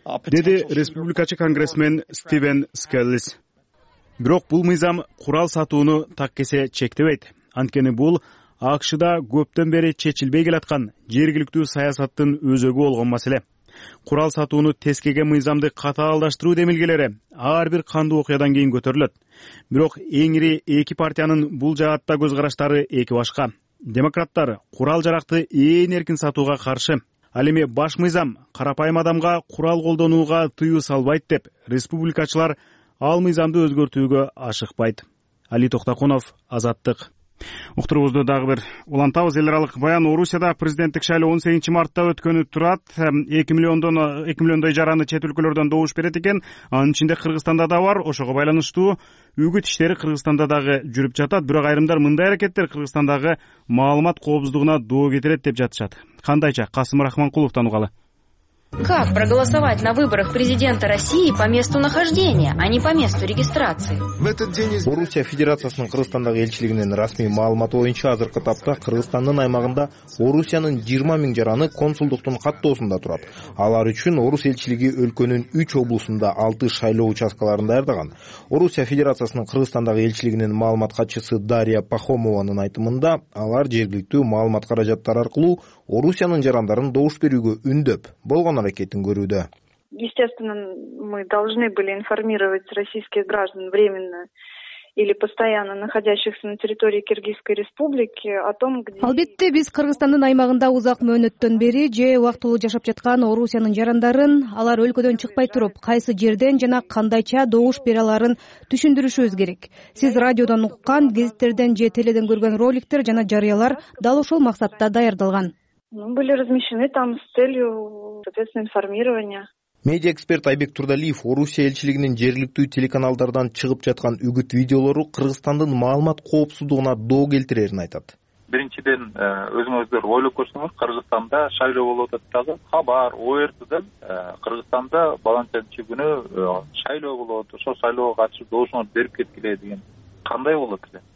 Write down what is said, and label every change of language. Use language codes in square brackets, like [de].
[ky] Деди республикачы конгрессмен Стивен Скеллис. Бирок бул мыйзам курал сатууну так кесе чектебейт. Анткени бул АКШда көптөн бери чечилбей келаткан жергиликтүү саясаттын өзөгү болгон маселе. Курал сатууну тескеге мыйзамды катаалдаштыруу демилгелери ар бир кандуу окуядан кийин көтөрүлөт. Бирок эң ири эки партиянын бул жаатта көз караштары эки башка. Демократтар курал жаракты эң эркин сатууга каршы. Ал эми баш мыйзам карапайым адамга курал колдонууга тыюу салбайт деп, республикачылар ал мыйзамды өзгөртүүгө ашыкпайт. Али Токтоконов, Азаттык. Уктурубузду дагы бир улантабыз. Эл аралык баян. Орусияда президенттик шайлоо 18 мартта өткөнү турат. 2 миллиондой жараны чет өлкөлөрдөн добуш берет экен. Анын ичинде Кыргызстанда да бар. Ошого байланыштуу үгүт иштери Кыргызстанда дагы жүрүп жатат. Бирок айрымдар мындай аракеттер Кыргызстандагы маалымат коопсуздугуна доо кетирет деп жатышат. Кандайча? Касым Рахманкуловтон угалы. [ru] Как проголосовать на выборах президента России по месту нахождения, а не по месту регистрации? [ky] Орусия Федерациясынын Кыргызстандагы элчилигинин расмий маалыматы боюнча азыркы тапта Кыргызстандын аймагында Орусиянын 20000 жараны консулдуктун каттоосунда турат. Алар үчүн Орус элчилиги өлкөнүн 3 облусунда 6 шайлоо участкаларын даярдаган. Орусия Федерациясынын Кыргызстандагы элчилигинин маалымат катчысы Дарья Пахомованын айтымында, алар жергиликтүү маалымат каражаттары аркылуу Орусиянын жарандарын добуш берүүгө үндөп болгон аракетин көрүүдө. [ru] Естественно, мы должны были информировать российских граждан временно или постоянно находящихся на территории Кыргызской республики о том, где... [ky] Албетте, биз Кыргызстандын аймагында узак мөөнөттөн бери же убактылуу жашап жаткан Орусиянын жарандарын, алар өлкөдөн чыкпай туруп, кайсы жерден жана кандайча добуш бере аларын түшүндүрүшүбүз керек. Сиз радиодон уккан, газеттерден же теледен көргөн роликтер жана жарыялар дал ушул максатта даярдалган. [ru] Были размещены там с целью, соответственно, информирования. [ky] Медиа эксперт Айбек Турдалиев Орусия элчилигинин жергиликтүү телеканалдардан чыгып жаткан үгүт видеолору Кыргызстандын маалымат коопсуздугуна доо келтирерин айтат. Биринчиден өзүңөздөр ойлокосуңуз, Кыргызстанда шайлоо болуп атат дагы, Хабар, ОРТ'дан Кыргызстанда балантерчи күнү шайлоо болуп атат, ошо шайлоого катышып доошуңар берип кеткиле деген кандай болот эле?